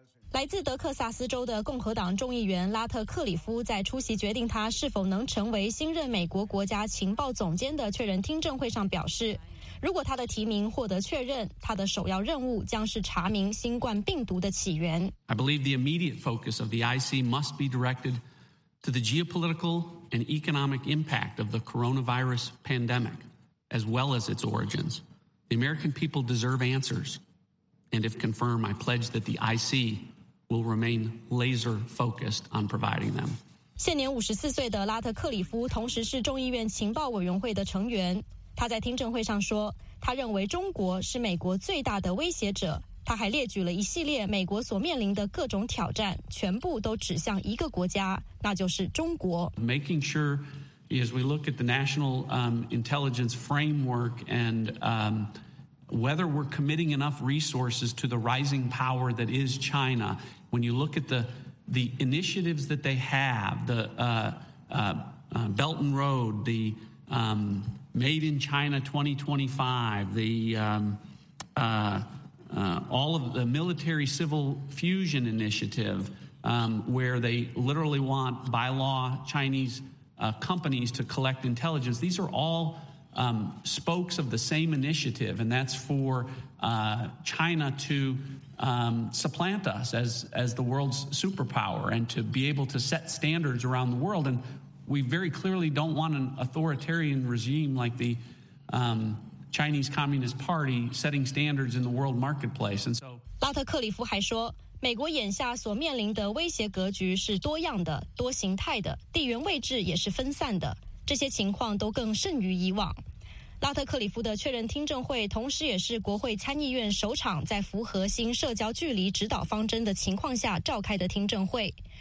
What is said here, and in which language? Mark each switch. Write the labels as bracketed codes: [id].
[zh] 来自德克萨斯州的共和党众议员拉特克里夫在出席决定他是否能成为新任美国国家情报总监的确认听证会上表示，如果他的提名获得确认，他的首要任务将是查明新冠病毒的起源。 [en] I believe the immediate focus of the IC must be directed to the geopolitical and economic impact of the coronavirus pandemic, as well as its origins. The American people deserve answers, and if confirmed, I pledge that the IC will remain laser focused on providing them. [zh] 现年54岁的拉特克里夫同时是众议院情报委员会的成员。他在听证会上说，他认为中国是美国最大的威胁者。他还列举了一系列美国所面临的各种挑战，全部都指向一个国家，那就是中国。 [en] Making sure as we look at the national intelligence framework and whether we're committing enough resources to the rising power that is China. When you look at the initiatives that they have, the Belt and Road, the Made in China 2025, all of the military civil fusion initiative, where they literally want by law Chinese companies to collect intelligence. These are all spokes of the same initiative, and that's for China to supplant us as the world's superpower and to be able to set standards around the world. And we very clearly don't want an authoritarian regime like the Chinese Communist Party setting standards in the world marketplace. And so [zh] 拉特克里夫还说，美国眼下所面临的威胁格局是多样的、多形态的，地缘位置也是分散的，这些情况都更甚于以往。拉特克里夫的确认听证会同时也是国会参议院首场在符合新社交距离指导方针的情况下召开的听证会。